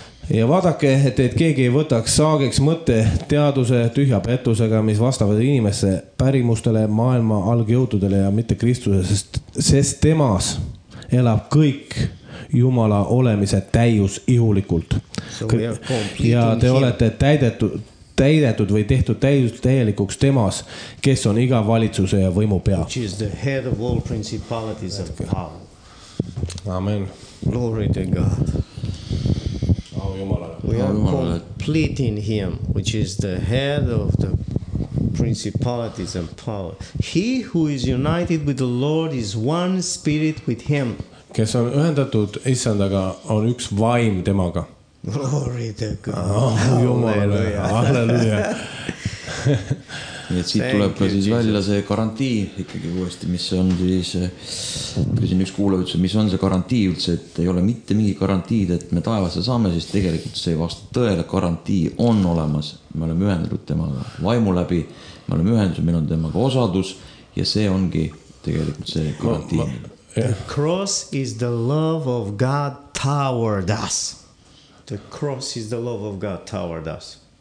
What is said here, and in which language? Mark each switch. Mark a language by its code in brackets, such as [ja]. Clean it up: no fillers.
[et] Ja vaadake, et teid keegi ei võtaks saageks mõtte teaduse tühja pettusega, mis vastavad inimese pärimustele, maailma algjõududele ja mitte Kristuse, sest temas elab kõik Jumala olemise täius ihulikult. Ja te olete täidetud või tehtud täielikuks temas, kes on iga valitsuse ja võimu pea. [en] Which is the head of all principalities of power. Amen. Glory to God. [et] Au Jumalale. [en] We are complete in him, which is the head of the principalities and power. He who is united with the Lord is one spirit with him. [et] Kes on ühendatud issandaga, on üks vaim temaga. [en] Glory to God. [et] Oh, Jumal, halleluja. Et siit tuleb ka siis välja see garantii ikkagi uuesti, mis on siis, kui siin üks kuule ütles, mis on see garantii üldse, et ei ole mitte mingi garantiid, et me taevasse saame, siis tegelikult see vasta tõele garantii on olemas. Me oleme ühendatud temaga vaimu läbi, me oleme ühendatud, meil on temaga osadus ja see ongi tegelikult see garantii. [en] The cross is the love of God toward us. The cross is the love of God toward us.